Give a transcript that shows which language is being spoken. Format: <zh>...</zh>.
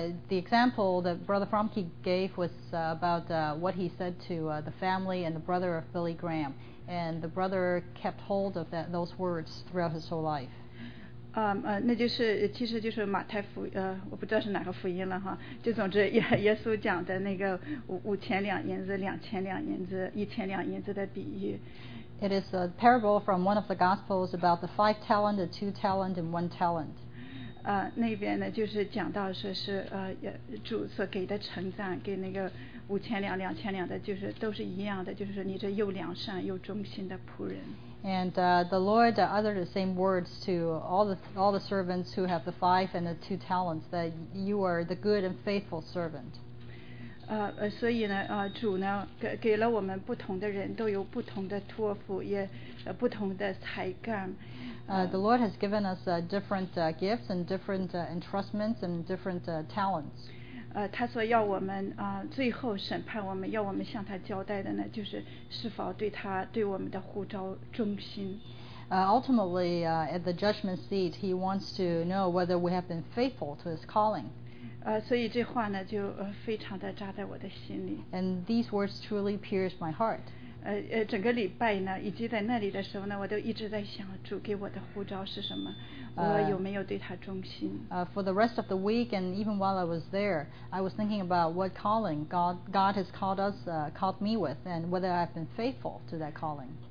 <en>The example that Brother Frumke gave was about what he said to the family and the brother of Billy Graham, and the brother kept hold of those words throughout his whole life.</en> <zh>那就是其实就是马太福我不知道是哪个福音了哈，就总之耶稣讲的那个5000两银子2000两银子1000两银子的比喻。</zh> <en>It is a parable from one of the gospels about the 5 talent, the 2 talent, and 1 talent.</en> <zh>那边呢就是讲到说是主所给的称赞，给那个五千两两千两的，就是都是一样的，就是你这又良善又忠心的仆人。</zh> <en>And the Lord uttered the same words to all the servants who have the five and the two talents, that you are the good and faithful servant.</en> <zh>所以呢，主呢给了我们不同的人都有不同的托付，也不同的才干。</zh> <en>The Lord has given us different gifts and different entrustments and different talents.</en> <zh>他说要我们最后审判我们，要我们向他交代的呢，就是是否对他对我们的呼召忠心。</zh> <en>Ultimately, at the judgment seat, he wants to know whether we have been faithful to his calling.</en> <zh>所以这话呢就非常的扎在我的心里。</zh> <en>And these words truly pierce my heart.</en> <zh>整个礼拜呢以及在那里的时候呢我都一直在想主给我的呼召是什么，我有没有对他忠心。</zh> <en>For the rest of the week and even while I was there, I was thinking about what calling God has called us, called me with, and whether I've been faithful to that calling.</en>